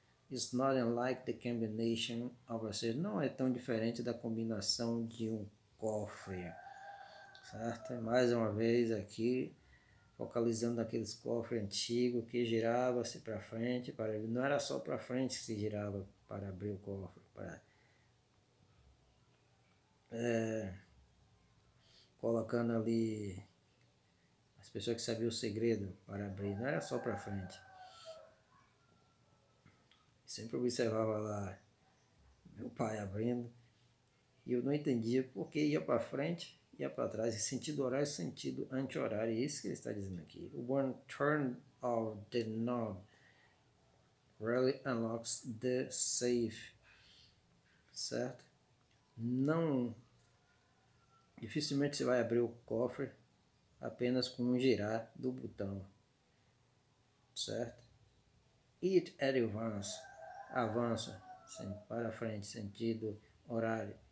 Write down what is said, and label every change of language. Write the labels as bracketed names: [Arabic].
[English] It's not unlike the combination of a safe. [Portuguese] Não é tão diferente da combinação de um cofre, certo? Mais uma vez aqui, focalizando aqueles cofres antigos que girava-se para frente, para não era só para frente que se girava para abrir o cofre, para colocando ali as pessoas que sabiam o segredo para abrir, não era só para frente. Sempre observava lá meu pai abrindo e eu não entendia por que ia para frente, ia para trás, em sentido horário, sentido anti-horário. É isso que ele está dizendo aqui. [English] O one turn of the knob really unlocks the safe, certo? [Portuguese] Não, dificilmente você vai abrir o cofre apenas com um girar do botão, certo? [English] It advances. [Portuguese] Avança, para frente, sentido horário.